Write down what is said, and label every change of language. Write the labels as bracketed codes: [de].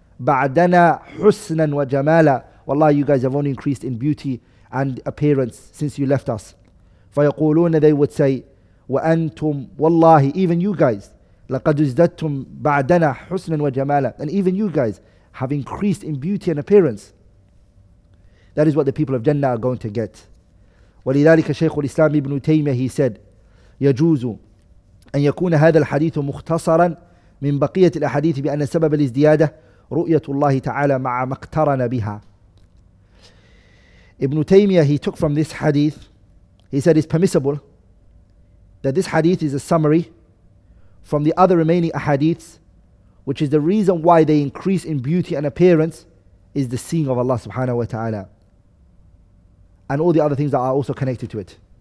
[en] بعدنا حسنا وجمالا, والله you guys have only increased in beauty and appearance since you left us. فيقولون, they would say, وأنتم والله, even you guys, لقد ازددتم بعدنا حسنا وجمالا, and even you guys have increased in beauty and appearance. That is what the people of Jannah are going to get. [ar] ولذلك شيخ الإسلام ابن تيمية, he said, يجوز أن يكون هذا الحديث مختصرا من بقية الأحاديث بأن سبب الازدياد رؤيه تعالى مع ما اقترن بها. [en] Ibn Taymiyyah, he took from this hadith, he said it's permissible that this hadith is a summary from the other remaining ahadiths, which is the reason why they increase in beauty and appearance is the seeing of Allah subhanahu wa ta'ala and all the other things that are also connected to it.